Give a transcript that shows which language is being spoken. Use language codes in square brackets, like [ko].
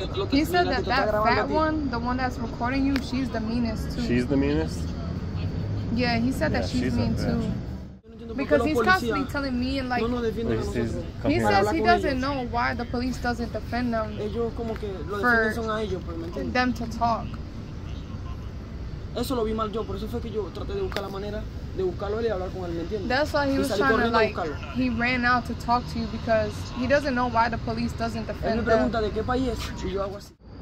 [en] He said that fat one, the one that's recording you, she's the meanest too. She's the meanest? Yeah, he said that she's mean too. Because he's constantly telling me and like, he says he doesn't know why the police doesn't defend them for them to talk. [es] Eso lo vi mal yo, por eso fue que yo traté de buscar la manera de buscarlo y hablar con él, ¿me entiendes? [en] That's why he was trying to, like, he ran out to talk to you because he doesn't know why the police doesn't defend him. [es] Él me pregunta de qué país es, y yo hago así.